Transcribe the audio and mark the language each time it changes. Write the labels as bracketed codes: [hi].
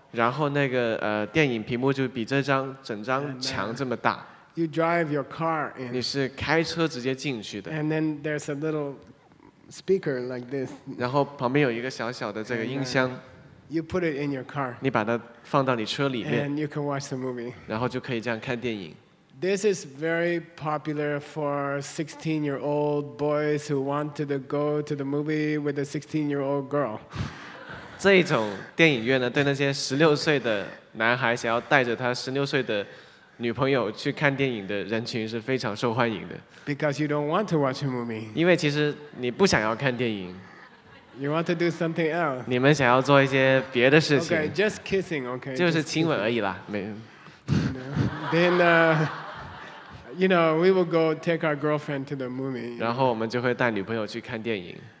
[zh] 然后那个电影屏幕就比这张整张墙这么大。 [en] And, you drive your car in. [zh] 你是开车直接进去的。 [en] And then there's a little speaker like this. [zh] 然后旁边有一个小小的这个音箱。 [en] And, You put it in your car. [zh] 你把它放到你车里面。 [en] And you can watch the movie. [zh] 然后就可以这样看电影。 [en] This is very popular for 16-year-old boys who wanted to go to the movie with a 16-year-old girl. [zh] 这种电影院呢，对那些16岁的男孩想要带着他16岁的女朋友去看电影的人群是非常受欢迎的。 [en] Because you don't want to watch a movie. [zh] 因为其实你不想要看电影。 [en] You want to do something else? [zh] 你们想要做一些别的事情。 [en] Okay, just kissing. Okay. [zh] 就是亲吻而已啦，没。 [en] Then, you know, we will go take our girlfriend to the movie. [zh] 然后我们就会带女朋友去看电影。